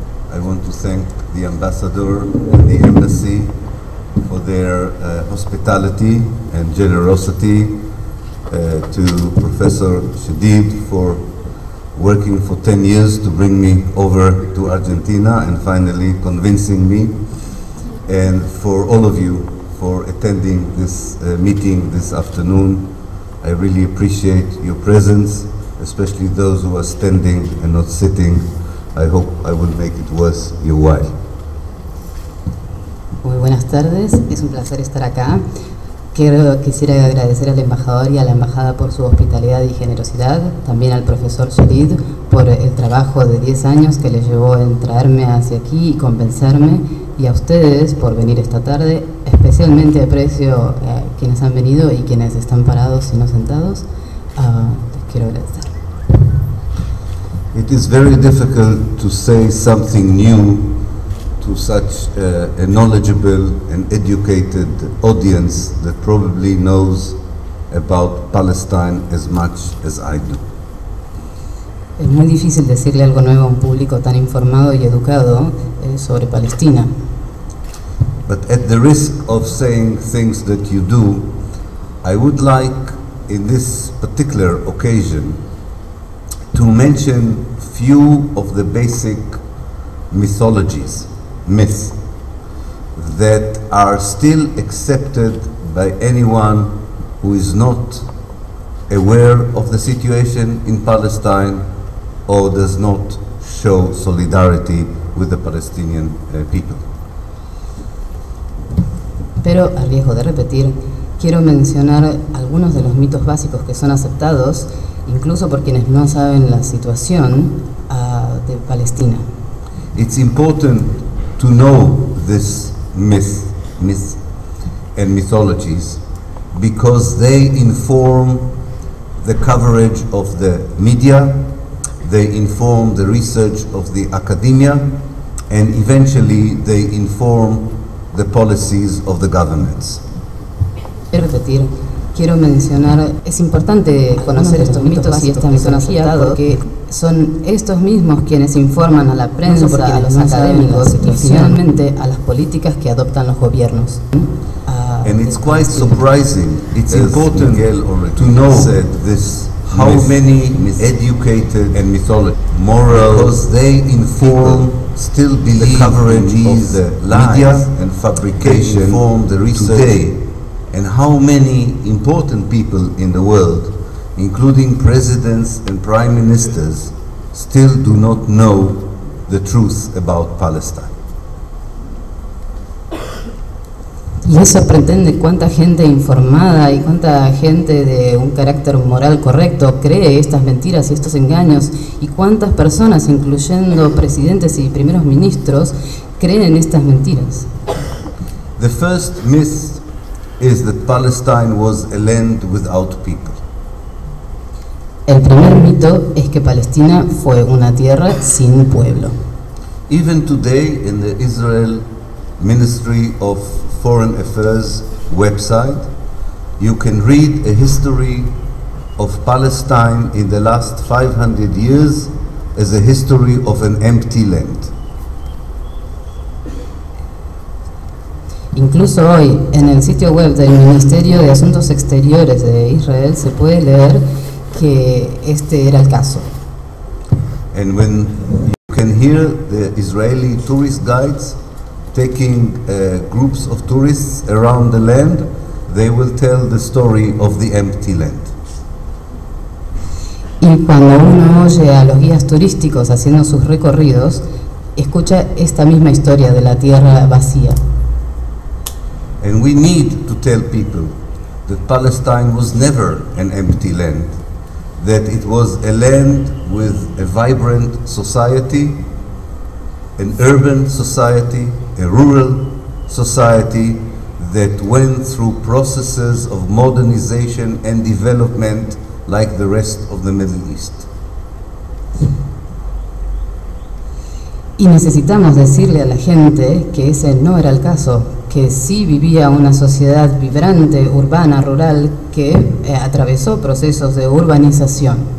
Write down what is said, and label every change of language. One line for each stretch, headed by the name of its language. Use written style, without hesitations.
English: I want to thank the ambassador and the embassy for their hospitality and generosity, to Professor Shadid for working for 10 years to bring me over to Argentina and finally convincing me, and for all of you for attending this meeting this afternoon. I really appreciate your presence, especially those who are standing and not sitting. I hope I will make it worth your while.
Spanish: Muy buenas tardes, es un placer estar acá. Quisiera agradecer al embajador y a la embajada por su hospitalidad y generosidad, también al profesor Solid por el trabajo de 10 años que le llevó a traerme hacia aquí y convencerme, y a ustedes por venir esta tarde. Especialmente aprecio a quienes han venido y quienes están parados y no sentados. Les quiero agradecer.
English: It is very difficult to say something new to such a knowledgeable and educated audience that probably knows about Palestine as much as I do.
Spanish: Es muy difícil decirle algo nuevo a un público tan informado y educado sobre Palestina.
English: But at the risk of saying things that you do, I would like in this particular occasion to mention few of the basic mythologies, myths, that are still accepted by anyone who is not aware of the situation in Palestine or does not show solidarity with the Palestinian people.
Spanish: Pero a riesgo de repetir, quiero mencionar algunos de los mitos básicos que son aceptados incluso por quienes no saben la situación de Palestina.
English: It's important to know this myth and mythologies because they inform the coverage of the media, they inform the research of the academia, and eventually they inform the policies of the governments.
Spanish: Quiero repetir, quiero mencionar, es importante conocer estos mitos y estas mitologías porque son estos mismos quienes informan a la prensa, a los académicos y finalmente a las políticas que adoptan los gobiernos.
English: And it's quite surprising, it's important to know that this how many educated and mythologies, morals, they inform still believe the coverage of the media and fabrication inform the research today. And how many important people in the world, including presidents and prime ministers, still do not know the truth about Palestine.
Spanish: Y es sorprendente cuánta gente informada y cuánta gente de un carácter moral correcto cree estas mentiras y estos engaños, y cuántas personas, incluyendo presidentes y primeros ministros, creen estas mentiras.
English: The first myth is that Palestine was a land without people.
Spanish: El primer mito es que Palestina fue una tierra sin pueblo.
English: Even today in the Israel Ministry of Foreign Affairs website, you can read a history of Palestine in the last 500 years as a history of an empty land.
Spanish: Incluso hoy, en el sitio web del Ministerio de Asuntos Exteriores de Israel, se puede leer que este era el caso.
English: And when you can hear the Israeli tourist guides taking groups of tourists around the land, they will tell the story of the empty land.
Spanish: Y cuando uno oye a los guías turísticos haciendo sus recorridos, escucha esta misma historia de la tierra vacía.
English: And we need to tell people that Palestine was never an empty land, that it was a land with a vibrant society, an urban society, a rural society that went through processes of modernization and development like the rest of the Middle East.
Spanish: Y necesitamos decirle a la gente que ese no era el caso, que sí vivía una sociedad vibrante, urbana, rural, que atravesó procesos de urbanización.